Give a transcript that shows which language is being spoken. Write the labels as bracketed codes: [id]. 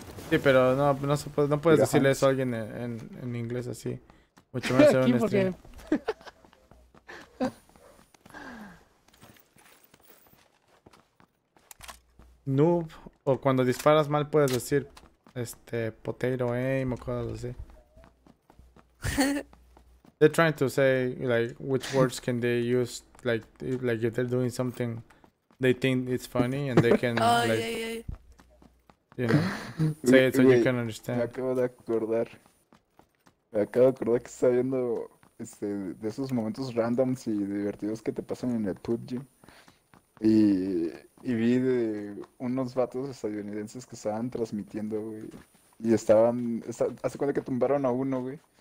[es] Sí, pero no puedes decirle eso a alguien en inglés así. Mucho menos en un stream. Noob, o cuando disparas mal puedes decir potato aim o cosas así. [en] They're trying to say like which words can they use, like if they're doing something they think it's funny and they can say it so you can understand. [es] Me acabo de acordar. Me acabo de acordar que estaba viendo de esos momentos randoms y divertidos que te pasan en el PUBG. Y vi de unos vatos estadounidenses que estaban transmitiendo, güey. Y estaban. Hace cuenta que tumbaron a uno, güey.